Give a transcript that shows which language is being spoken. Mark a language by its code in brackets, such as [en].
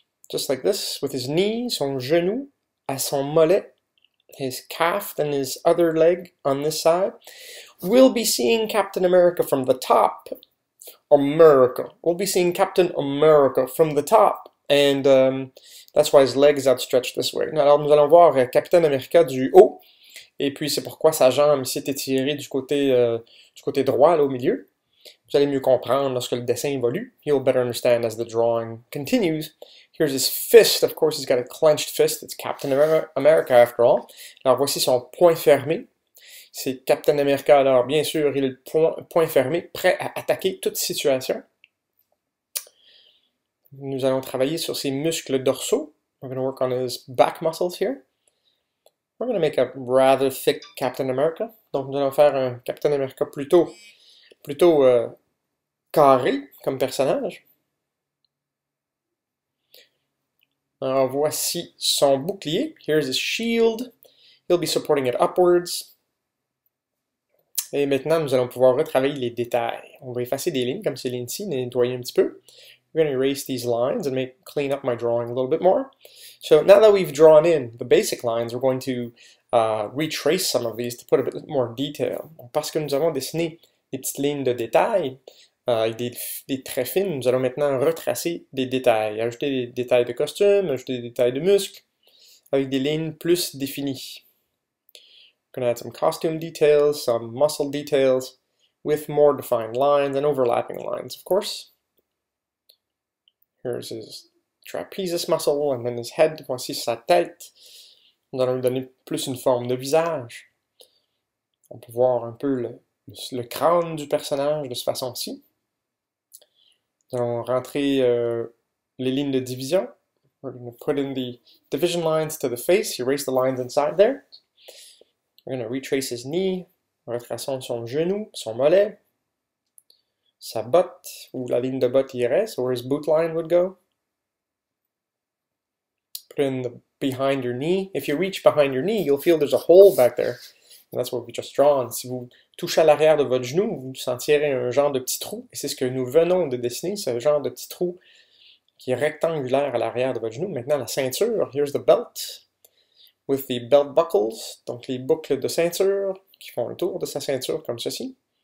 [en] Just like this, with his knee, [fr] son genou, à son mollet. [en] His calf and his other leg on this side. We'll be seeing Captain America from the top. America. We'll be seeing Captain America from the top. And that's why his leg is outstretched this way. [fr] Alors, nous allons voir Capitaine America du haut. Et puis, c'est pourquoi sa jambe ici est étirée du côté droit, là, au milieu. Vous allez mieux comprendre lorsque le dessin évolue. [en] You'll better understand as the drawing continues. Here's his fist. Of course, he's got a clenched fist. It's Captain America, after all. [fr] Alors, voici son poing fermé. C'est Captain America. Alors, bien sûr, il est poing fermé, prêt à attaquer toute situation. Nous allons travailler sur ses muscles dorsaux. [en] We're going to work on his back muscles here. We're going to make a rather thick Captain America. [fr] Donc, nous allons faire un Captain America plutôt carré comme personnage. Alors, voici son bouclier. [en] Here's his shield. He'll be supporting it upwards. [fr] Et maintenant, nous allons pouvoir retravailler les détails. On va effacer des lignes comme ces lignes-ci, nettoyer un petit peu. [en] We're going to erase these lines and clean up my drawing a little bit more. So now that we've drawn in the basic lines, we're going to retrace some of these to put a bit more detail. [fr] Parce que nous avons dessiné des petites lignes de détails, des traits fines, nous allons maintenant retracer des détails, ajouter des détails de costume, ajouter des détails de muscles, avec des lignes plus définies. [en] We're going to add some costume details, some muscle details, with more defined lines and overlapping lines, of course. Here's his trapezius muscle, and then his head. [fr] Voici sa tête. Nous allons lui donner plus une forme de visage. On peut voir un peu le crâne du personnage de cette façon-ci. Nous allons rentrer les lignes de division. [en] We're going to put in the division lines to the face. Erase the lines inside there. We're going to retrace his knee. [fr] Retraçons son genou, son mollet. Sa botte, où la ligne de botte irait, [en] so where his boot line would go. Put in the behind your knee. If you reach behind your knee, you'll feel there's a hole back there. And that's what we just drawn. [fr] Si vous touchez à l'arrière de votre genou, vous sentirez un genre de petit trou. Et c'est ce que nous venons de dessiner, ce genre de petit trou qui est rectangulaire à l'arrière de votre genou. Maintenant, la ceinture. [en] Here's the belt with the belt buckles. [fr] Donc, les boucles de ceinture qui font le tour de sa ceinture comme ceci.